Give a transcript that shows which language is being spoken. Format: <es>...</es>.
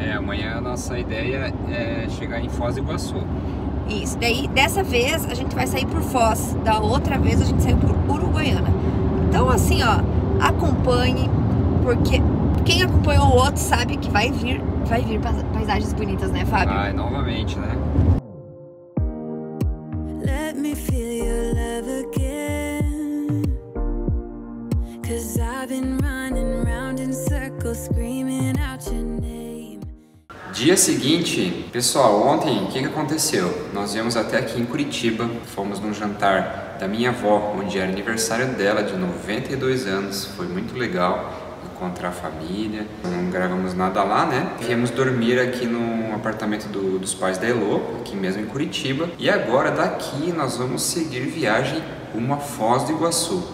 <pt>Amanhã a nossa ideia é chegar em Foz do Iguaçu. Isso, daí dessa vez a gente vai sair por Foz, da outra vez a gente saiu por Uruguaiana. Então, assim, ó, acompanhe, porque quem acompanhou o outro sabe que vai vir paisagens bonitas, né, Fábio? Ah, novamente, né?</pt> <en>Let me feel your love again. Cause I've been running round in circles screaming out your name.</en> <pt>Dia seguinte, pessoal, ontem o que aconteceu? Nós viemos até aqui em Curitiba, fomos num jantar da minha avó, onde era aniversário dela, de 92 anos, foi muito legal encontrar a família, não gravamos nada lá, né? Viemos dormir aqui no apartamento dos pais da Elô, aqui mesmo em Curitiba, e agora daqui nós vamos seguir viagem rumo a Foz do Iguaçu.</pt>